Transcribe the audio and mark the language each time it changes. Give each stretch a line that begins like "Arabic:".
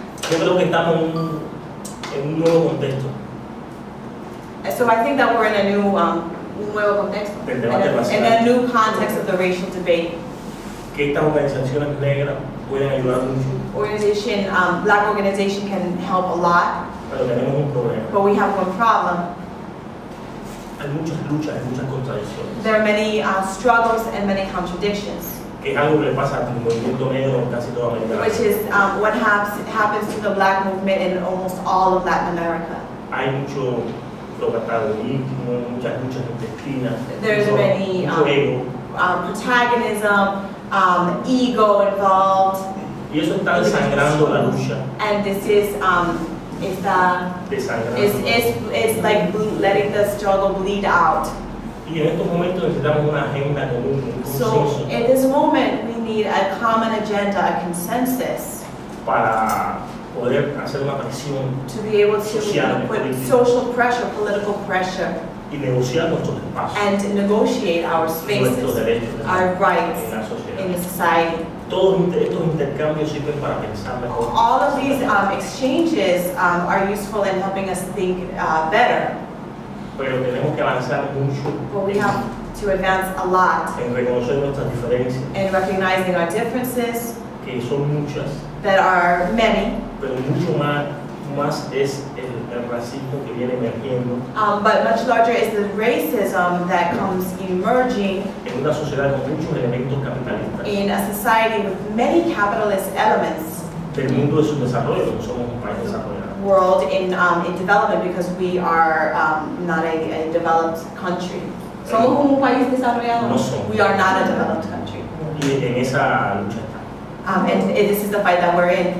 Spanish: Yo creo que estamos en un nuevo contexto.
English: So I think that we're in a new
Spanish: nuevo contexto.
English: In a new context of the racial debate.
Spanish: Que estas organizaciones negras pueden ayudar mucho.
English: Organization, black organization can help a lot.
Spanish: Pero tenemos un problema.
English: But we have one problem.
Spanish: Hay muchas luchas, hay muchas contradicciones.
English: There are many struggles and many contradictions.
Spanish: Que es algo que le pasa al movimiento negro en casi toda América.
English: Which is what happens to the black movement in almost all of Latin America.
Spanish: Hay mucho protagonismo, muchas luchas intestinas.
English: There's many protagonism. Ego involved.
Spanish: Y eso está desangrando la lucha.
English: And this is it's like letting the struggle bleed out.
Spanish: Y en estos momentos necesitamos una agenda común, un consenso.
English: So in this moment we need a common agenda, a consensus,
Spanish: para poder hacer una presión
English: to be able to put social pressure, political pressure,
Spanish: y negociar nuestros espacios,
English: and negotiate our spaces,
Spanish: nuestros derechos,
English: our rights in the society.
Spanish: Todos estos intercambios sirven para pensar mejor.
English: All of these exchanges are useful in helping us think better.
Spanish: Pero tenemos que avanzar mucho.
English: But we have to advance a lot
Spanish: en reconocer nuestras diferencias,
English: in recognizing our differences,
Spanish: que son muchas,
English: that are many.
Spanish: Pero mucho más es el racismo que viene emergiendo.
English: But much larger is the racism that comes emerging
Spanish: en una sociedad con muchos elementos capitalistas,
English: in a society with many capitalist elements,
Spanish: del mundo de su desarrollo, porque somos un país desarrollado,
English: world in development, because we are not a developed country.
Spanish: Somos un país desarrollado. No somos.
English: We are not a developed country.
Spanish: Y en esa lucha.
English: And this is the fight that we're in.